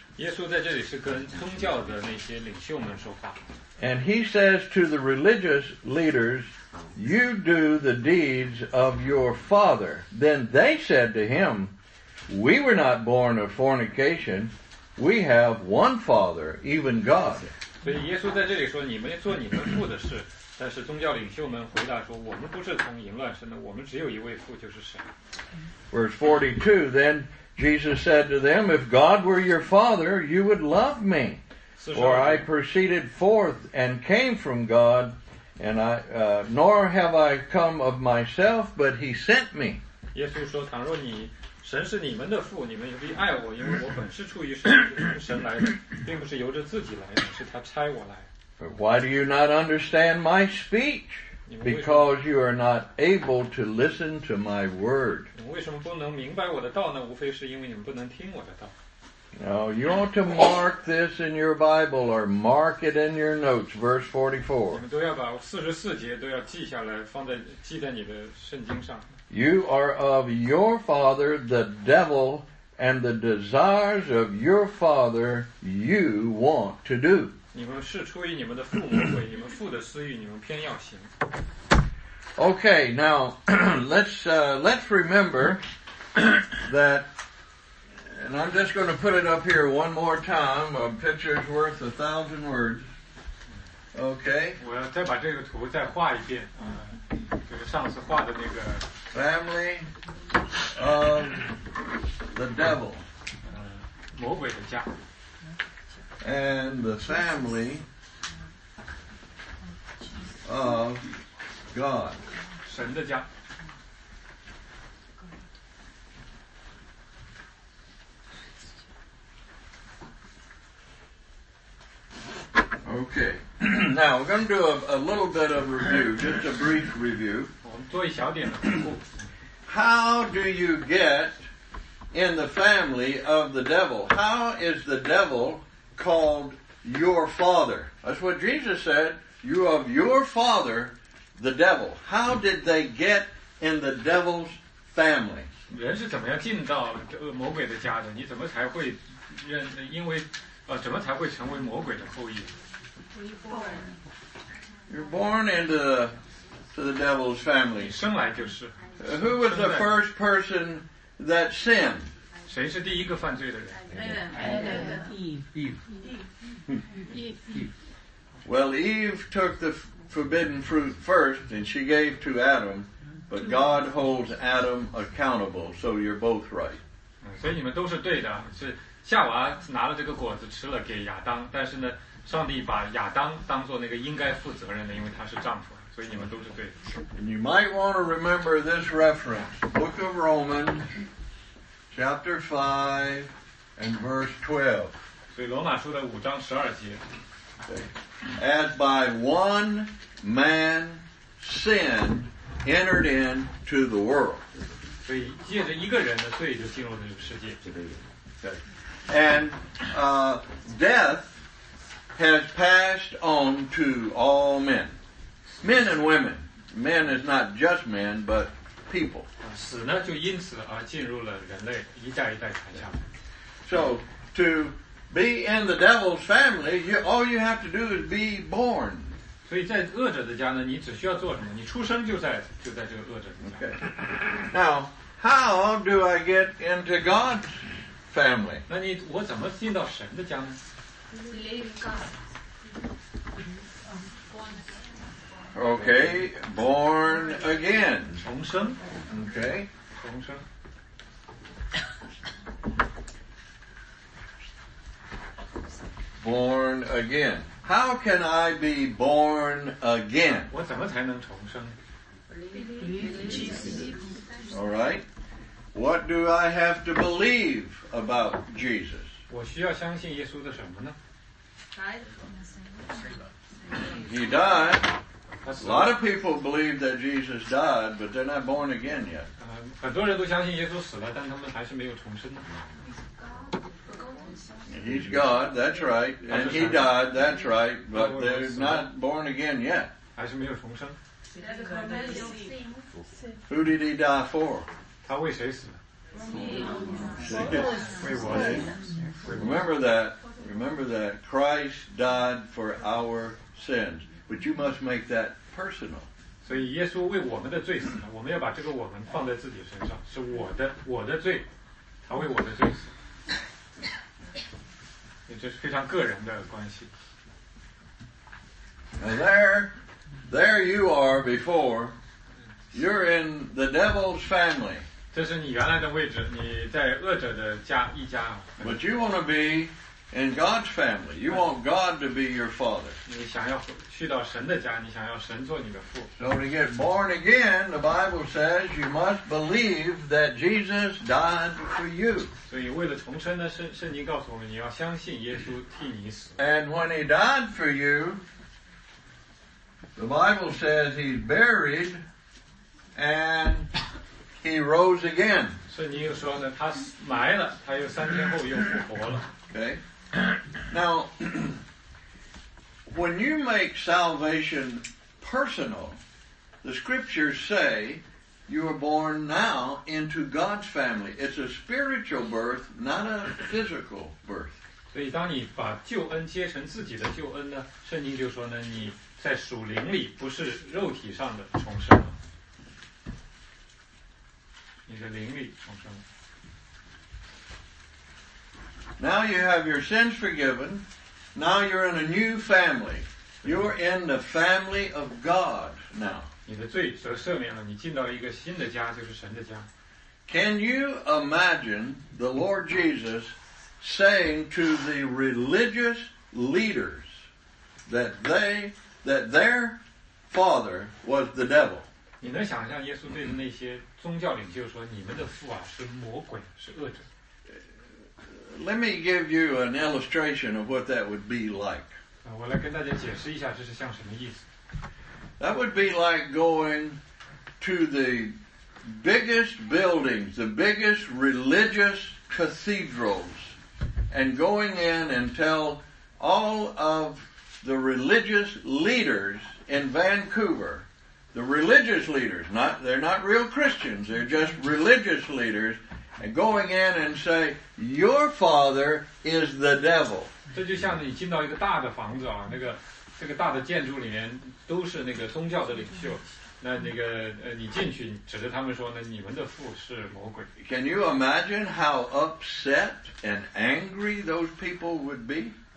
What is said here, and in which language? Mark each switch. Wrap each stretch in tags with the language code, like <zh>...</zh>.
<en>And he says to the religious leaders, you do the deeds of your father. Then they said to him, we were not born of fornication. We have one father, even God.</en> <zh>所以耶稣在这里说，你们做你们父的事，但是宗教领袖们回答说，我们不是从淫乱生的，我们只有一位父，就是神。</zh> <en>Verse 42, then Jesus said to them, if God were your father, you would love me. For I proceeded forth and came from God, and I, nor have I come of myself, but he sent me.</en> <zh>耶稣说，倘若你神是你们的父，你们必爱我，因为我本是出于神，从神来的，并不是由着自己来的，是他差我来。</zh> <en>But why do you not understand my speech? Because you are not able to listen to my word.</en> <zh>你们为什么不能明白我的道呢？无非是因为你们不能听我的道。</zh> <en>Now, you ought to mark this in your Bible or mark it in your notes, verse 44.</en> <zh>你们都要把44节都要记下来，记在你的圣经上。</zh> <en>You are of your father, the devil, and the desires of your father you want to do.</en> <zh>你们是出于你们的父魔鬼，你们父的私欲，你们偏要行。</zh> <en>Okay, now, let's remember that, and I'm just going to put it up here one more time, a picture's worth a thousand words. Okay.</en> <zh>我要再把这个图再画一遍。就是上次画的那个</zh> <en>Family of the devil.</en> <zh>魔鬼的家。</zh> <en>And the family of God.</en> <zh>神的家。</zh> <en>Okay. Now we're going to do a little bit of review, just a brief review.</en> <zh>我们做一小点的回顾。</zh> <en>How do you get in the family of the devil? How is the devil called your father? That's what Jesus said. You of your father, the devil. How did they get in the devil's family?</en> <zh>人是怎么样进到魔鬼的家的？你怎么才会认？因为怎么才会成为魔鬼的后裔？</zh> <en>You're born into the devil's family.</en> <zh>你生来就是。</zh> <en>Who was the first person that sinned?</en> <zh>谁是第一个犯罪的人？</zh> <en>Eve. Well, Eve took the forbidden fruit first, and she gave to Adam, but God holds Adam accountable, so you're both right.</en> <zh>所以你们都是对的，是夏娃拿了这个果子吃了给亚当，但是呢，上帝把亚当当做那个应该负责任的，因为他是丈夫。</zh> <en>And you might want to remember this reference, Book of Romans, chapter 5, and verse 12.</en> <zh>所以罗马书的五章十二节。</zh> <en>As by one man sin entered into the world.</en> <zh>所以借着一个人的罪就进入了这个世界。</zh> <en>And death has passed on to all men. Men and women. Men is not just men, but people.</en> <zh>死呢就因此而进入了人类一代一代传下。</zh> <en>So to be in the devil's family, all you have to do is be born.</en> <zh>所以在恶者的家呢，你只需要做什么？你出生就在这个恶者的家。</zh> <en>Okay. Now, how do I get into God's family?</en> <zh>那你我怎么进到神的家呢？</zh> <en>Believe God. Okay, born again.</en> <zh>重生。</zh> <en>Okay.</en> <zh>重生。</zh> <en>Born again. How can I be born again?</en> <zh>我怎么才能重生？</zh> <en>Jesus. All right. What do I have to believe about Jesus?</en> <zh>我需要相信耶稣的什么呢？</zh> <en>He died. A lot of people believe that Jesus died, but they're not born again yet.</en> <zh>很多人都相信耶稣死了，但他们还是没有重生。</zh> <en>He's God, that's right. And he died, that's right. But they're not born again yet.</en> <zh>还是没有重生。</zh> <en>Who did he die for?</en> <zh>他为谁死的？为我。</zh> <en>Remember that. Remember that. Christ died for our sins. But you must make that personal.</en> <zh>所以耶稣为我们的罪死了，我们要把这个我们放在自己身上，是我的罪，他为我的罪死，也就是非常个人的关系。</zh> <en>And there you are before. You're in the devil's family.</en> <zh>这是你原来的位置，你在恶者的家一家。</zh> <en>But you want to be. In God's family, you want God to be your father.</en> <zh>你想要去到神的家，你想要神做你的父。</zh> <en>So to get born again, the Bible says you must believe that Jesus died for you.</en> <zh>所以为了重生呢，圣经告诉我们，你要相信耶稣替你死。</zh> <en>And when he died for you, the Bible says he's buried and he rose again.</en> <zh>圣经又说呢，他埋了，他又三天后又复活了。</zh> <en>Okay. Now, when you make salvation personal, the scriptures say you are born now into God's family. It's a spiritual birth, not a physical birth.</en> <zh>所以当你把救恩接成自己的救恩呢，圣经就说呢，你在属灵里不是肉体上的重生了，你是灵里重生了。</zh> <en>Now you have your sins forgiven. Now you're in a new family. You're in the family of God now.</en> <zh>你的罪得赦免了，你进到了一个新的家，就是神的家。</zh> <en>Can you imagine the Lord Jesus saying to the religious leaders that their father was the devil?</en> <zh>你能想象耶稣对那些宗教领袖说，你们的父啊是魔鬼，是恶者？</zh> <en>Let me give you an illustration of what that would be like.</en> <zh>我来跟大家解释一下，这是像什么意思。</zh> <en>That would be like going to the biggest buildings, the biggest religious cathedrals, and going in and tell all of the religious leaders in Vancouver, the religious leaders, they're not real Christians, they're just religious leaders, and going in and say, your father is the devil.</en> <zh>这就像你进到一个大的房子啊，这个大的建筑里面都是那个宗教的领袖，你进去指着他们说呢，你们的父是魔鬼。</zh> <en>Can you imagine how upset and angry those people would be？</en>